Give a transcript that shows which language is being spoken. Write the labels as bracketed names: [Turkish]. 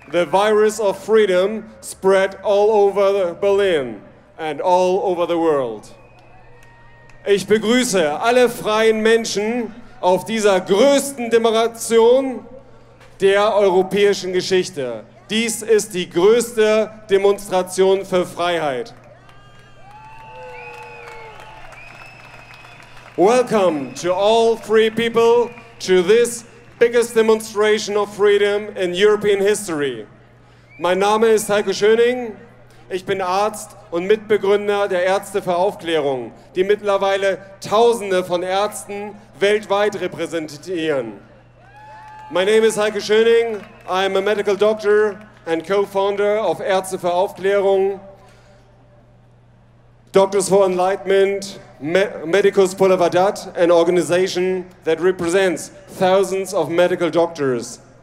[English] The virus of freedom spread all over Berlin and all over the world. [German] Ich begrüße alle freien Menschen auf dieser größten Demonstration der europäischen Geschichte. Dies ist die größte Demonstration für Freiheit. [English] Welcome to all free people to this biggest demonstration of freedom in European history. [German] Mein Name ist Heiko Schöning. Ich bin Arzt und Mitbegründer der Ärzte für Aufklärung, die mittlerweile Tausende von Ärzten weltweit repräsentieren. [English] My name is Heiko Schöning. I am a medical doctor and co-founder of Ärzte für Aufklärung, Doctors for Enlightenment, Medicus Polavadat, an organization that represents thousands of medical doctors.